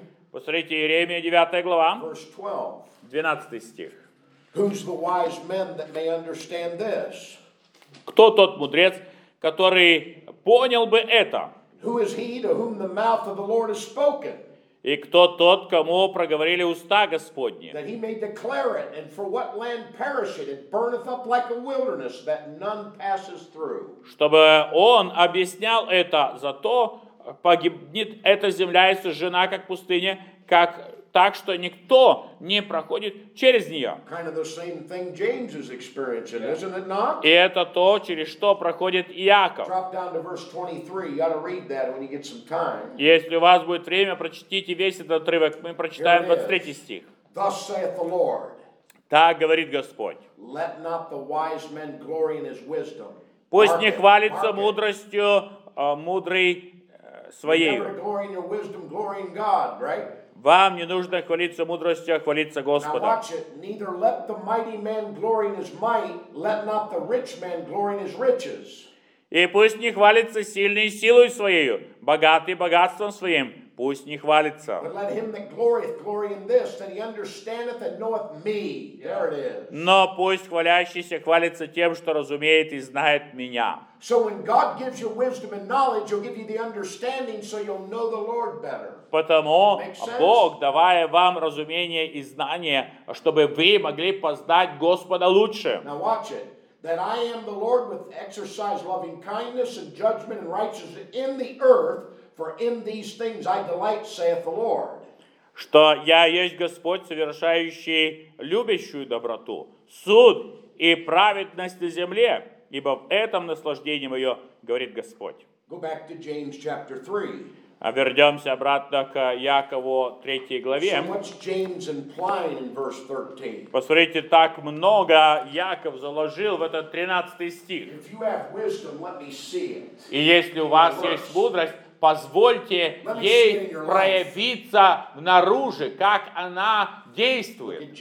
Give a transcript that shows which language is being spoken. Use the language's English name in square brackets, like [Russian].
[Russian] Посмотрите, Иеремия 9 глава, 12 стих. [English] Who's the wise man that may understand this? [Russian] Кто тот мудрец, который понял бы это? [English] Who is he to whom the mouth of the Lord has spoken? [Russian] И кто тот, кому проговорили уста Господни? [English] That he may declare it, and for what land perish it? It burneth up like a wilderness that none passes through. [Russian] Чтобы он объяснял это, за то погибнет эта земля и сожжена, как пустыня, как так, что никто не проходит через нее. [English] Kind of the same thing James is experiencing, isn't it not? [Russian] И это то, через что проходит Иаков. [English] Drop down to verse 23. You ought to read that when you get some time. [Russian] Если у вас будет время, прочтите весь этот отрывок. Мы прочитаем 23 стих. [English] Thus saith the Lord. [Russian] Так говорит Господь. [English] Let not the wise man glory in his wisdom. [Russian] Пусть не хвалится мудростью мудрый своей. Вам не нужно хвалиться мудростью, а хвалиться Господом. [English] Neither let the mighty man glory in his might, let not the rich man glory in his riches. [Russian] И пусть не хвалится сильный силой своей, богатый богатством своим. Пусть не хвалится. [English] But let him that glorieth glory in this, that he understandeth and knoweth me. There it is. [Russian] Но пусть хвалящийся хвалится тем, что разумеет и знает меня. [English] So when God gives you wisdom and knowledge, he'll give you the understanding, so you'll know the Lord better. [Russian] Потому Бог, давая вам разумение и знание, чтобы вы могли познать Господа лучше. [English] Now watch it. That I am the Lord with exercise loving kindness and judgment and righteousness in the earth. For in these things I delight, saith the Lord. [Russian] Что я есть Господь, совершающий любящую доброту, суд и праведность на земле, ибо в этом наслаждение мое, говорит Господь. [English] Go back to James chapter 3. [Russian] А вернемся обратно к Якову 3 главе. [English] So what's James implying in verse 13? [Russian] Посмотрите, так много Яков заложил в этот 13 стих. [English] If you have wisdom, let me see it. [Russian] И если у вас есть мудрость, позвольте ей проявиться внаружи, как она действует.